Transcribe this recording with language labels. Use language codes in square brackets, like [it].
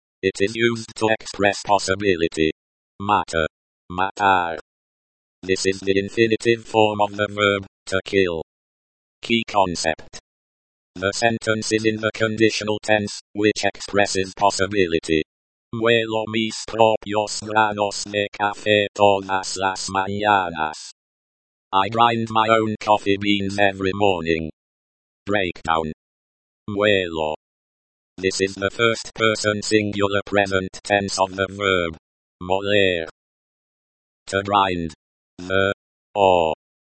[en] It is used to express possibility. [es] Mata. Matar. [en] This is the infinitive form of the verb, to kill. Key concept. The sentence is in the conditional tense, which expresses possibility. [es] Muelo mis propios granos de café todas las mañanas. [en] I grind my own coffee beans every morning. Breakdown. Muelo. This is the first person singular present tense of the verb. Moler. To grind. The. Or.